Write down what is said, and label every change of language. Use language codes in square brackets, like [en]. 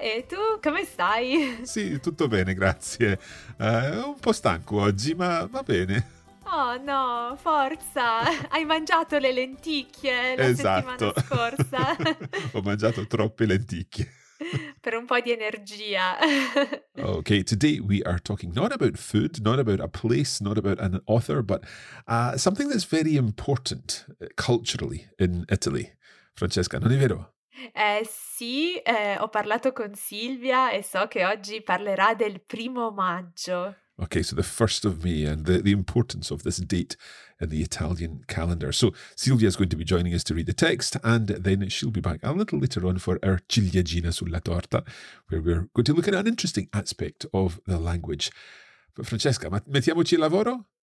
[it] E tu, come stai? Sì, tutto bene, grazie. Un po' stanco oggi, ma va bene. Oh no, forza! Hai mangiato le lenticchie la esatto. settimana scorsa. Ho mangiato troppe lenticchie. Per un po' di energia. [en] Okay, today we are talking not about food, not about a place, not about an author, but something that's very important culturally in Italy. [it] Francesca, non è vero? Sì, ho parlato con Silvia e so che oggi parlerà del primo maggio. [en] Okay, so the 1st of May and the importance of this date in the Italian calendar. So Silvia is going to be joining us to read the text and then she'll be back a little later on for our [it] ciliegina sulla torta, [en] where we're going to look at an interesting aspect of the language. [it] But Francesca, mettiamoci il lavoro?